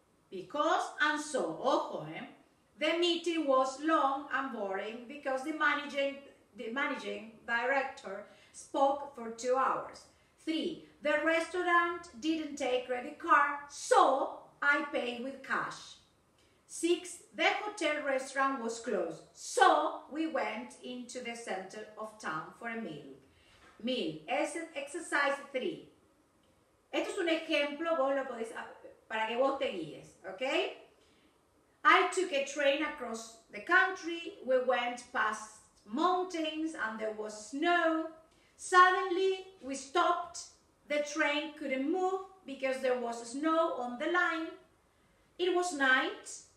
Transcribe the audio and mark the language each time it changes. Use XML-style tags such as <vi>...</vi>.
<en>Because and so,</en> <es>ojo, eh?</es> <en>The meeting was long and boring because the managing director spoke for 2 hours. 3. The restaurant didn't take credit card, so I paid with cash. 6. The hotel restaurant was closed, so we went into the center of town for a meal. Exercise 3.</en> <es>Esto es un ejemplo, vos lo podés, para que vos te guíes, ¿ok?</es> <en>I took a train across the country, we went past mountains and there was snow. Suddenly we stopped, the train couldn't move because there was snow on the line. It was night.</en>